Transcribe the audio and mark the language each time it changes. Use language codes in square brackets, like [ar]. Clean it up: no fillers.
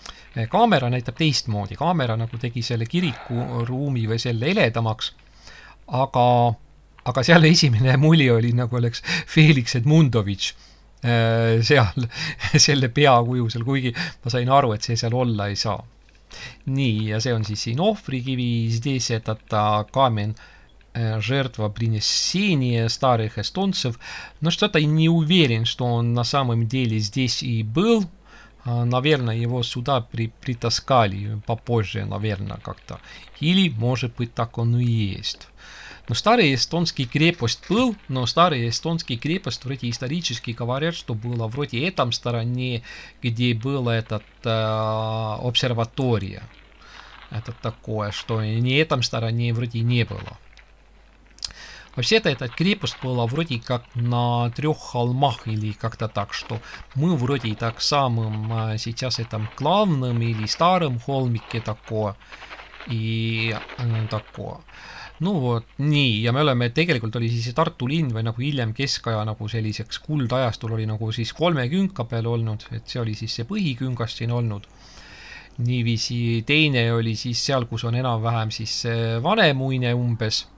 [et] Kaamera näitab teistmoodi. Kaamera nagu tegi selle kiriku ruumi või selle eledamaks, aga seal esimene muli oli nagu oleks Felix Edmundovic seal selle peakujusel, kuigi ma sain aru, et see seal olla ei saa. Nii, ja see on siis siin ohvrikivi, siis seetata kaamen [ru] жертва принесения старых эстонцев. Но что-то не уверен, что он на самом деле здесь и был. Наверное, его сюда притаскали попозже, наверное, как-то. Или, может быть, так он и есть. Но старый эстонский крепость был, но старый эстонский крепость, вроде исторически говорят, что было вроде этом стороне, где была эта обсерватория. Это такое, что не этом стороне вроде не было. Вообще-то эта крепость была вроде как на трех холмах или как-то так, что мы вроде так самым сейчас этом главным или старым холмике такое и такое. Ну вот, не, я [et] мы оleme, tegelikult oli siis Tartu linn või nagu hiljem keskaja nagu selliseks kuldajastul oli nagu siis kolme künka peal olnud, et see oli siis see põhikünkas siin olnud. Niivisi teine oli siis seal, kus on enam vähem siis vanemuine umbes.